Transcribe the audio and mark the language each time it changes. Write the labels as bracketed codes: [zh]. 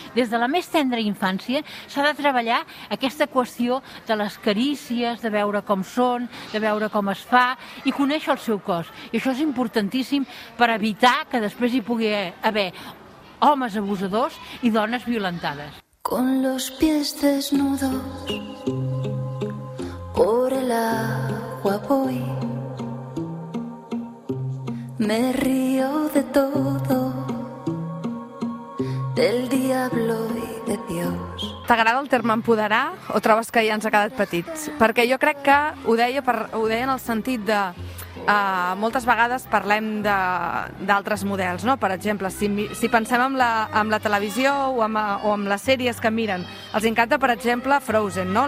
[ca] Des de la més tendra infància s'ha de treballar aquesta qüestió de les carícies, de veure com són, de veure com es fa i conèixer el seu cos. I això és importantíssim per evitar que després hi pugui haver homes abusadors i dones violentades. [es] Con los pies desnudos por el agua voy, me río de todo, del diablo y de Dios. [ca] T'agrada el terme empoderar o trobes que ja ens ha quedat petits? Perquè jo crec que ho deia en el sentit de... moltes vegades parlem d'altres models, no? Per exemple, si pensem en la televisió o en les sèries que miren, els encanta, per exemple, Frozen, no?